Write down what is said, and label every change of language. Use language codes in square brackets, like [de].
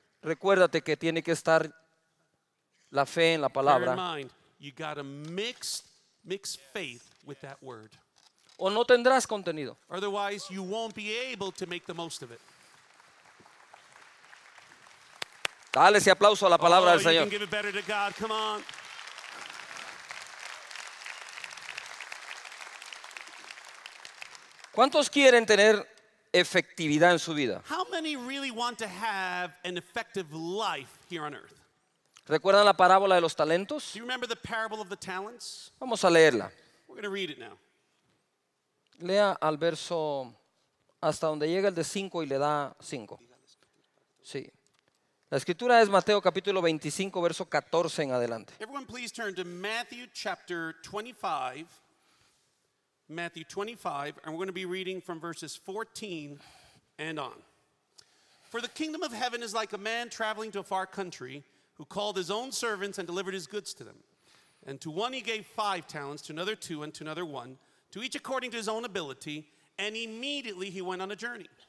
[es] recuérdate que tiene que estar la fe en la palabra. [en] Bear in mind, you got to mix faith with that word. [es] O no tendrás contenido. [en] Otherwise, you won't be able to make the most of it. [es] Dale ese aplauso a la palabra del Señor. [en] You can give it better to God. Come on. [es] ¿Cuántos quieren tener efectividad en su vida? [en] How many really want to have an effective life here on earth? [es] ¿Recuerdan la parábola de los talentos? [en] Do you remember the parable of the talents? [es] Vamos a leerla. [en] We're going to read it now. [es] Lea al verso hasta donde llega el de 5 y le da 5. Sí. La escritura es Mateo capítulo 25 verso 14 en adelante. [en] Everyone please turn to Matthew chapter 25. Matthew 25, and we're going to be reading from verses 14 and on. For the kingdom of heaven is like a man traveling to a far country who called his own servants and delivered his goods to them. And to one he gave 5 talents, to another 2, and to another 1, to each according to his own ability, and immediately he went on a journey.